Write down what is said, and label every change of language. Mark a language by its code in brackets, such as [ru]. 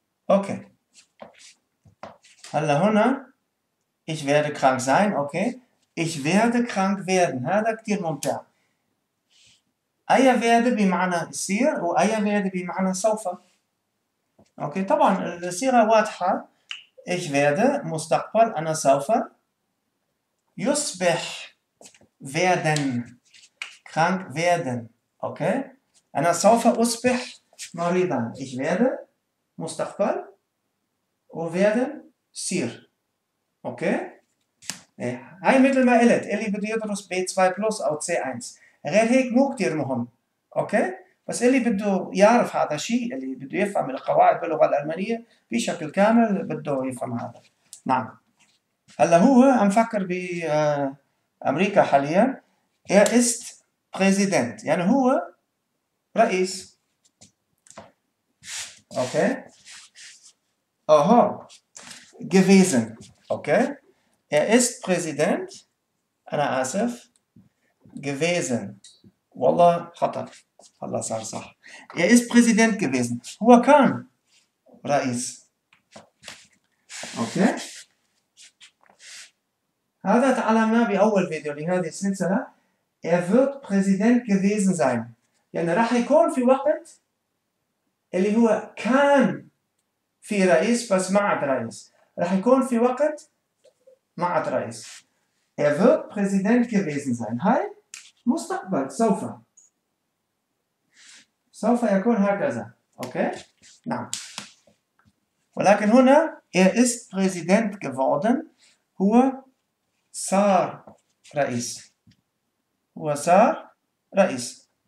[ar] أوكي هلا هنا [de] Ich werde krank sein. أوكي Ich werde krank werden. [ar] هذا كتير ممتع. أي werde بمعنى يصير وأي werde بمعنى سوف. أوكي طبعا الصيغة واضحة. [de] Ich werde [ar] مستقبل أنا سوف يصبح [de] werden krank werden. [ar] أوكي أنا سوف أصبح مريضا. Ich werde مستقبل و werde يصير. أوكي هاي مثل ما قلت اللي بده يدرس B2 بلس أو C1 غير هيك مو كتير مهم. أوكي بس اللي بده يعرف هذا الشيء اللي بده يفهم القواعد باللغة الألمانية بشكل كامل بده يفهم هذا. نعم هلا هو عم فكر بأمريكا حاليا. [de] Er ist Präsident [ar] يعني هو رئيس. أوكي أوه gewesen. [de] أوكي Er ist Präsident, [ar] أنا آسف, [de] gewesen. [ar] والله خطأ. الله صار صح. [de] Er ist Präsident gewesen. [ar] هو كان رئيس. Okay. هذا تعلمناه بأول فيديو لهذه السلسلة. [de] Er wird Präsident gewesen sein. [ar] يعني راح يكون في وقت اللي هو كان في رئيس بس ما عاد رئيس. راح يكون في وقت ما عاد رئيس. [de] Er wird Präsident gewesen sein. [ar] هاي مستقبل سوف. سوف يكون هكذا. اوكي؟ نعم. ولكن هنا [de] Er ist Präsident geworden. [ar] هو صار رئيس. هو صار رئيس.